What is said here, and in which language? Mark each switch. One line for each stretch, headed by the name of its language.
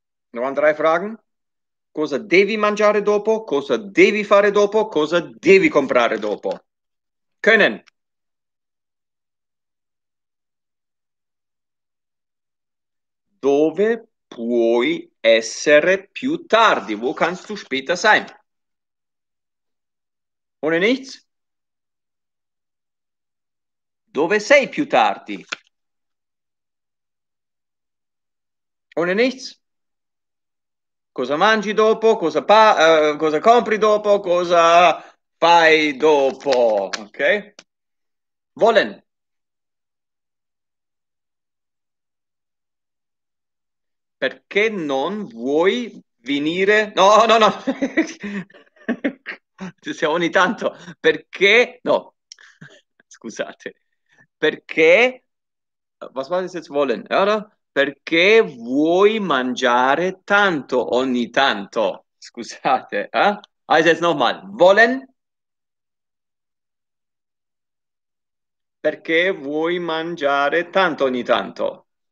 German: Noch drei Fragen.
Italian: Cosa devi mangiare dopo? Cosa devi fare dopo? Cosa devi comprare dopo?
German: Können.
Italian: Dove puoi essere più tardi?
German: Wo kannst du später sein? Ohne nichts?
Italian: Dove sei più tardi?
German: Ohne nichts?
Italian: Cosa mangi dopo? Cosa, cosa compri dopo? Cosa fai dopo? Ok?
German: Wollen.
Italian: Perché non vuoi venire? No, no, no. Ci siamo ogni tanto. Perché? No. Scusate. Perché?
German: Was war das jetzt wollen? Oder?
Italian: Perché vuoi mangiare tanto ogni tanto? Scusate. Eh?
German: Also jetzt nochmal. Wollen?
Italian: Perché vuoi mangiare tanto ogni tanto?